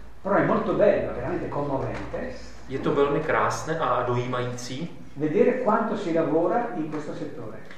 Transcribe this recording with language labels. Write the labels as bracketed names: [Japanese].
[Italian] Però è molto bello, veramente commovente. [Czech] Je to velmi krásné a dojímající. [Italian] Vedere quanto si lavora in questo settore.